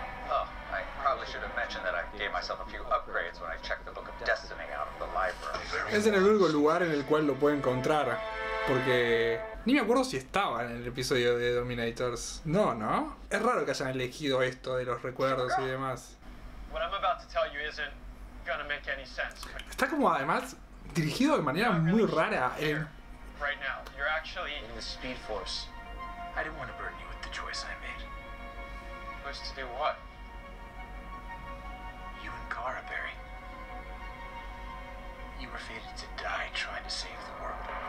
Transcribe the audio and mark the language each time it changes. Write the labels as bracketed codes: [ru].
[en] Oh, I probably should have mentioned that I gave myself a few upgrades when I checked the Book of Destiny out of the library. [es] Es en el único lugar en el cual lo puede encontrar, porque ni me acuerdo si estaba en el episodio de Dominators. No, ¿no? Es raro que hayan elegido esto de los recuerdos y demás. [en] What I'm about to tell you isn't gonna make any sense. [es] Está como además dirigido de manera muy rara. [en] Right now, you're actually in the Speed Force. I didn't want to burden you with the choice I made. Who's to do what? You and Kara, Barry. You were fated to die trying to save the world.